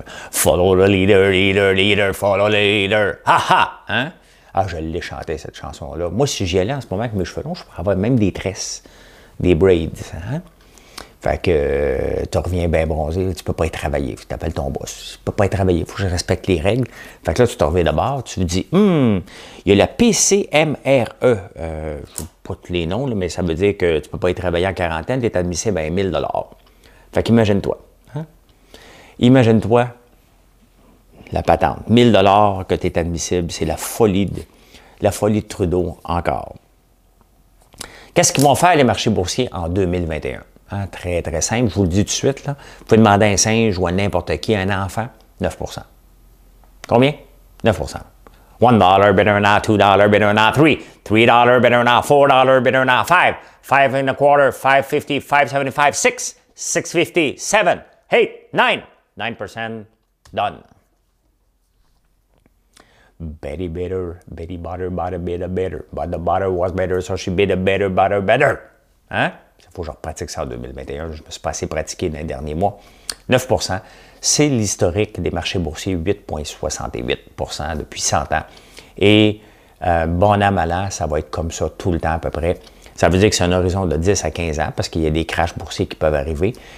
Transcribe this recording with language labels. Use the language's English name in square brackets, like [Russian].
[English] Follow the leader, leader, leader, follow the leader. Ha ha! Hein? [French] Ah, je l'ai chanté, cette chanson-là. Moi, si j'y allais en ce moment avec mes cheveux longs, je pourrais avoir même des tresses, des braids. Hein? Fait que tu reviens bien bronzé, tu peux pas y travailler. Tu appelles ton boss. Tu peux pas y travailler, il faut que je respecte les règles. Fait que là, tu te reviens de bord, tu te dis, il y a la PCMRE. Je ne sais pas tous les noms, là, mais ça veut dire que tu peux pas y travailler en quarantaine, tu es admissible à 1000 $. Fait qu'imagine-toi. Hein? Imagine-toi la patente. 1000 $ que tu es admissible, c'est la folie de Trudeau encore. Qu'est-ce qu'ils vont faire les marchés boursiers en 2021? Hein, très, très simple. Je vous le dis tout de suite. Là. Vous pouvez demander à un singe ou à n'importe qui, un enfant, 9 %. Combien? 9 %. [English] $1, better now, $2, better now, $3 better now, $4 better now, $5 and a quarter, $5.50, $5.75, $6, $6.50, $7, $8, $9. 9% done. Betty bitter, Betty butter, butter, bitter, bitter. But the butter was better, so she bit a better, butter, better. Hein? [French] Il faut que je repratique ça en 2021. Je ne me suis pas assez pratiqué dans les derniers mois. 9 %, c'est l'historique des marchés boursiers, 8,68 % depuis 100 ans. Et bon an, mal an, ça va être comme ça tout le temps à peu près. Ça veut dire que c'est un horizon de 10 à 15 ans parce qu'il y a des crashs boursiers qui peuvent arriver.